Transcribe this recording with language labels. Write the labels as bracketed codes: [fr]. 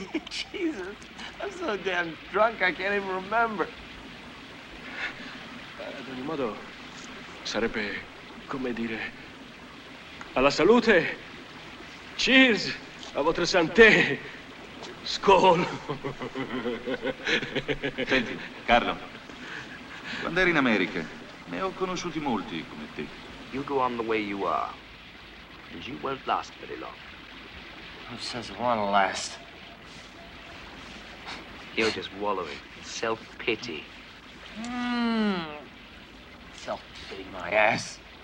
[en] Jesus, I'm so damn drunk I can't even remember. [it] Modo sarebbe come dire alla salute, cheers, [fr] a votre santé, [it] scol. Senti, Carlo, quando eri in America ne ho conosciuti molti come te. [en] You go on the way you are, and you won't last very long. Who says it won't last? You're just wallowing in self-pity. My ass.